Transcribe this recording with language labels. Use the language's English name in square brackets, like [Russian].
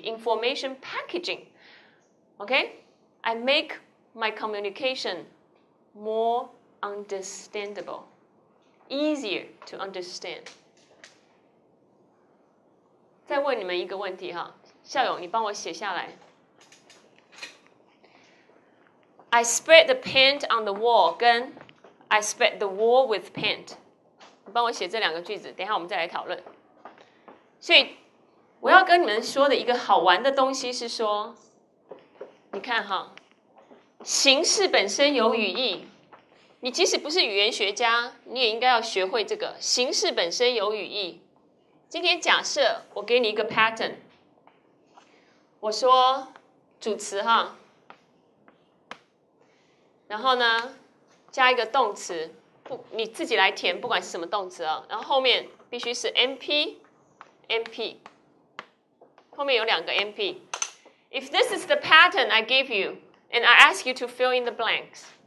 [English] Information packaging, OK? I make my communication. More understandable, easier to understand. [Chinese] 再问你们一个问题哈，校友，你帮我写下来。 [English] I spread the paint on the wall [Chinese] 跟 [English] I spread the wall with paint. [Chinese] 你帮我写这两个句子，等一下我们再来讨论。所以我要跟你们说的一个好玩的东西是说，你看哈，形式本身有语义。你即使不是语言学家，你也应该要学会这个形式本身有语义。今天假设我给你一个 pattern， 我说主词哈，然后呢加一个动词，不，你自己来填，不管是什么动词啊，然后后面必须是 MP， 后面有两个 MP。 [English] If this is the pattern I give you and I ask you to fill in the blanks。